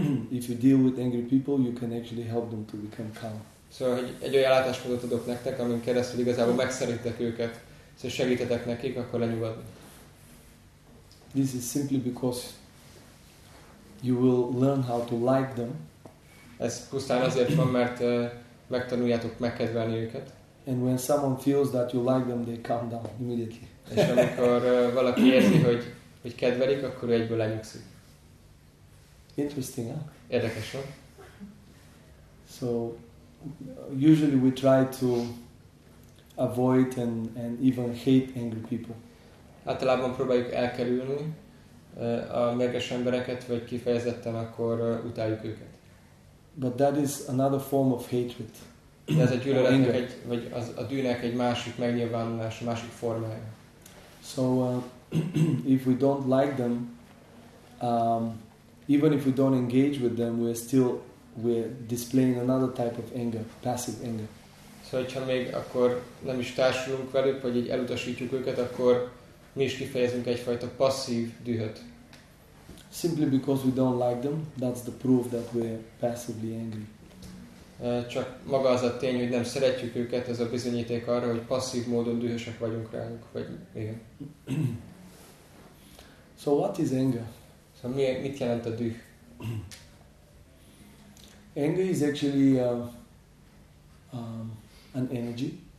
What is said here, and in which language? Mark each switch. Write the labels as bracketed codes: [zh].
[en] If you deal with angry people, you can actually help them to become calm. [hu] Szóval egy olyan látásmódot adok nektek, amin keresztül igazából megszerítek őket, szóval segítetek nekik, akkor lenyugodni. [en] This is simply because you will learn how to like them. [hu] Ez pusztán azért van, mert megtanuljátok megkedvelni őket. [en] And when someone feels that you like them, they calm down immediately. [hu] És amikor valaki érzi, hogy kedvelik, akkor ő egyből lenyugszik. [en] Interesting, huh? [hu] Érdekes, nem? [en] So, usually we try to avoid and even hate angry people. [hu] Általában próbáljuk elkerülni a mérges embereket, vagy kifejezetten akkor utáljuk őket. [en] But that is another form of hatred. [hu] De ez a gyűlöletnek, vagy az a dűnek egy másik megnyilvánulása, másik formája. [en] So if we don't like them, even if we don't engage with them, we're displaying another type of anger, passive anger. [hu] Szóval, hogyha még akkor nem is társulunk velük, vagy így elutasítjuk őket, akkor mi is kifejezünk egyfajta passzív dühöt. [en] Simply because we don't like them, that's the proof that we're passively angry. [hu] Csak maga az a tény, hogy nem szeretjük őket, ez a bizonyíték arra, hogy passzív módon dühösek vagyunk rájuk, vagy igen. [en] So what is anger? [hu] Szóval mit jelent a düh? [en] Anger is actually an energy.